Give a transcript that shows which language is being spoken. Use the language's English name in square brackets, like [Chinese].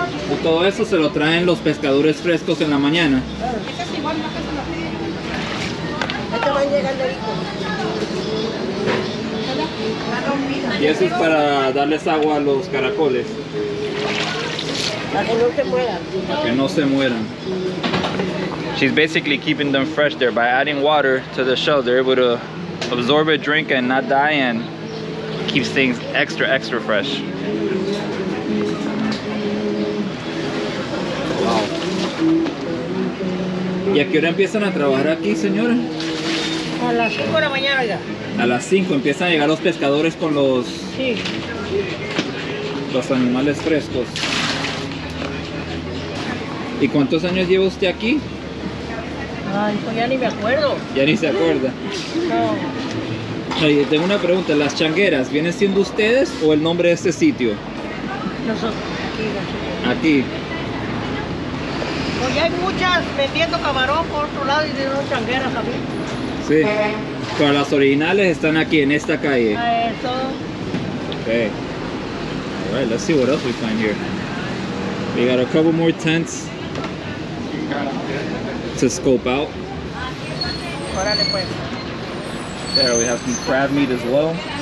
[Spanish] Y todo eso se lo traen los pescadores frescos en la mañana. Y eso es para darles agua a los caracoles. Para que no se mueran. [English] She's basically keeping them fresh there by adding water to the shells. They're able to absorb it, drink, and not die, and keeps things extra, extra fresh. Wow. [Spanish] ¿Y a qué hora empiezan a trabajar aquí, señora? A las 5 de la mañana ya. A las 5 empiezan a llegar los pescadores con los. Sí. Los animales frescos. ¿Y cuántos años lleva usted aquí? Ay, pues ya ni me acuerdo. ¿Ya ni se acuerda? No. Oye, tengo una pregunta. ¿Las changueras vienen siendo ustedes o el nombre de este sitio? Nosotros. Aquí. Pues ya hay muchas vendiendo camarón por otro lado y tienen unas changueras también. Sí. Pero las originales están aquí, en esta calle. Eso. [English] Ok. All right, let's see what else we find here. We got a couple more tents to scope out. There we have some crab meat as well.